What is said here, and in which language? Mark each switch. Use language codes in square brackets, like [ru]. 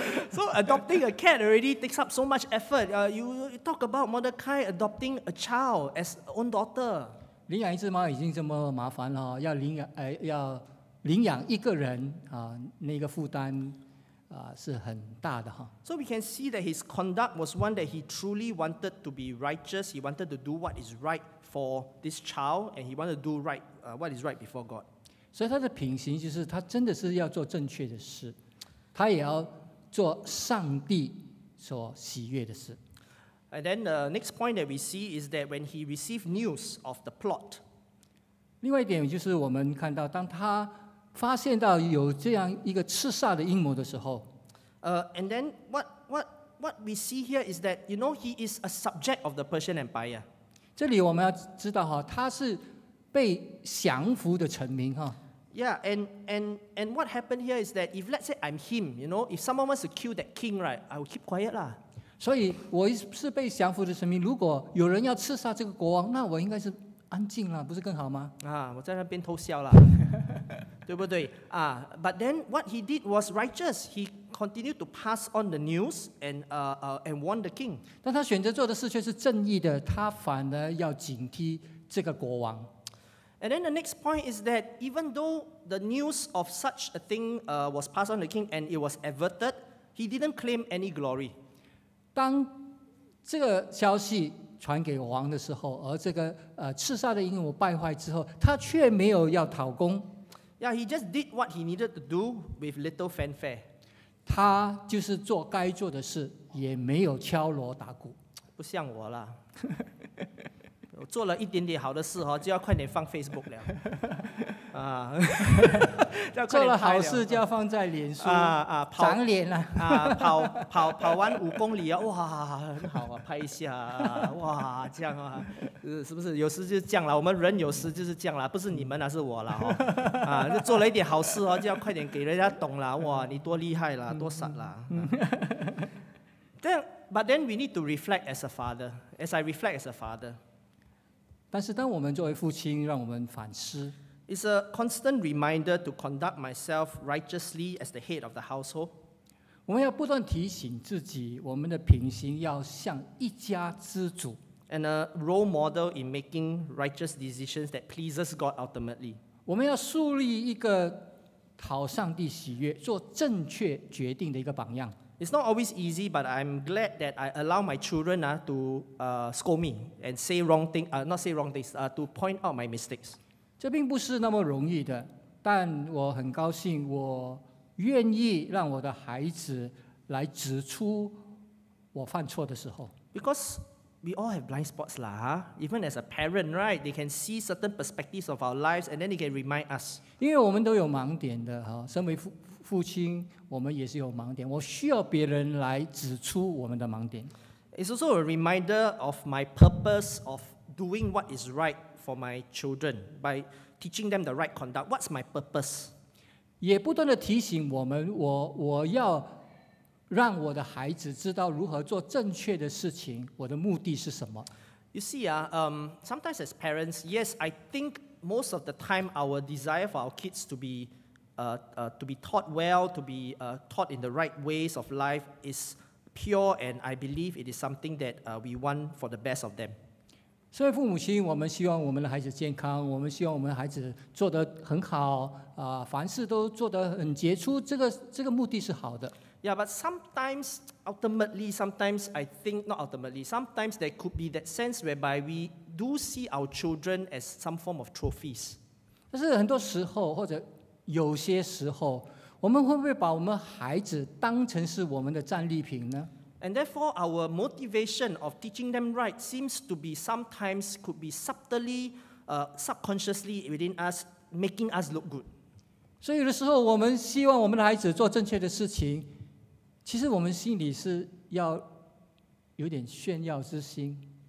[en] So adopting a cat already takes up so much effort you talk about Mother Kai adopting a child as own daughter [zh] 领养一只猫已经这么麻烦了要 要领养一个人、那个负担是很大的哈。 [en] So we can see that his conduct was one that he truly wanted to be righteous. He wanted to do what is right for this child, and he wanted to do right, what is right before God. [zh] 所以他的品行就是他真的是要做正确的事，他也要做上帝所喜悦的事。 [en] And then the next point that we see is that when he received news of the plot. [zh] 另外一点就是我们看到当他发现到有这样一个刺杀的阴谋的时候 [en] and then what we see here is that you know he is a subject of the Persian Empire [zh] 这里我们要知道他是被降服的臣民 [en] yeah and what happened here is that if let's say I'm him you know if someone wants to kill that king right I will keep quiet lah [zh] 所以我是被降服的臣民如果有人要刺杀这个国王那我应该是安静了不是更好吗我在那边偷笑了对不对、 [en] but then what he did was righteous. He continued to pass on the news and warn the king. [zh] 但他选择做的事却是正义的，他反而要警惕这个国王。 [en] And then the next point is that even though the news of such a thing was passed on the king and it was averted, he didn't claim any glory. [zh] 当这个消息传给王的时候，而这个刺杀的阴谋败坏之后，他却没有要讨功。 [en] Yeah, he just did what he needed to do with little fanfare. [zh] 他就是做该做的事，也没有敲锣打鼓。不像我了，我做了一点点好的事就要快点放 Facebook 了。做了好事就要放在脸书长脸跑完五公里哇很好拍一下哇这样是不是有时就是这样了我们人有时就是这样了不是你们是我了就做了一点好事就要快点给人家懂了哇你多厉害了多傻了但 [en] But then we need to reflect as a father [zh] as I reflect as a father 但是当我们作为父亲让我们反思 [en] It's a constant reminder to conduct myself righteously as the head of the household. [zh] 我们要不断提醒自己，我们的品行要像一家之主。 [en] And a role model in making righteous decisions that pleases God ultimately. [zh] 我们要树立一个讨上帝喜悦、做正确决定的一个榜样。 [en] It's not always easy, but I'm glad that I allow my children to scold me and say wrong things, not say wrong things, to point out my mistakes. [zh] 这并不是那么容易的，但我很高兴，我愿意让我的孩子来指出我犯错的时候。 [en] Because we all have blind spots lah, even as a parent, right? They can see certain perspectives of our lives, and then they can remind us. [zh] 因为我们都有盲点的哈，身为父亲，我们也是有盲点，我需要别人来指出我们的盲点。 [en] It's also a reminder of my purpose of doing what is right. For my children, by teaching them the right conduct, what's my purpose? [zh] 也不断地提醒我们，我要让我的孩子知道如何做正确的事情，我的目的是什么。 [en] You see, sometimes as parents, yes, I think most of the time our desire for our kids to be taught well, to be taught in the right ways of life is pure, and I believe it is something that we want for the best of them. [zh] 身为父母亲，我们希望我们的孩子健康，我们希望我们的孩子做得很好，凡事都做得很杰出，这个目的是好的。 [en] Yeah, but sometimes, ultimately, sometimes I think, not ultimately, sometimes there could be that sense whereby we do see our children as some form of trophies. [zh] 但是很多时候，或者有些时候，我们会不会把我们孩子当成是我们的战利品呢？ [en] And therefore, our motivation of teaching them right seems to be sometimes could be subtly, subconsciously within us, making us look good. [zh] So, 有的时候我们希望我们的孩子做正确的事情，其实我们心里是要有点炫耀之心。